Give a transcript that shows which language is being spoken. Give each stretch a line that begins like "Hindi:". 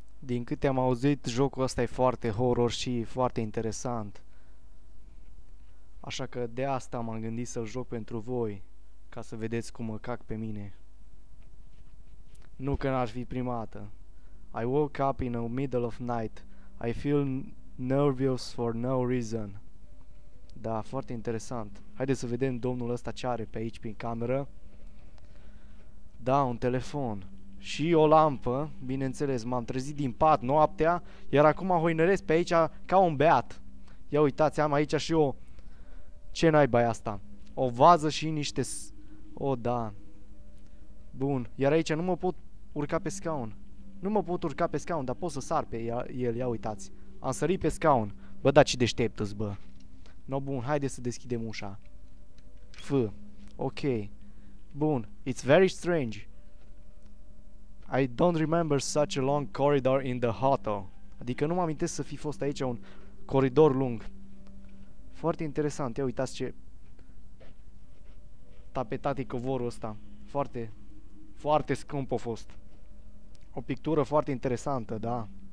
Romanian: Din câte am auzit, jocul ăsta e foarte horror și foarte interesant. Așa că de asta m-am gândit să-l joc pentru voi, ca să vedeți cum mă cac pe mine. Nu că n-ar fi prima dată.
English: I woke up in the middle of night. I feel nervous for no reason.
Romanian: Da, foarte interesant. Haideți să vedem domnul ăsta ce are pe aici prin cameră. Da, un telefon. Și o lampă, bineînțeles, m-am trezit din pat noaptea, iar acum hoinăresc pe aici ca un beat. Ia uitați, am aici și o... Ce naiba e asta? O vază și niște... O, da. Bun, iar aici nu mă pot urca pe scaun. Nu mă pot urca pe scaun, dar pot să sar pe el, ia uitați. Am sărit pe scaun. Bă, dar ce deștept-s, bă. No, bun, haide să deschidem ușa.
English: F. Ok. Bun, it's very strange. I don't remember such a long corridor in the hotel.
Romanian: Adică nu mă amintesc să fi fost aici un coridor lung. Foarte interesant. Ia uitați ce tapetat e covorul ăsta. Foarte, foarte scump a fost. O pictură foarte interesantă, da.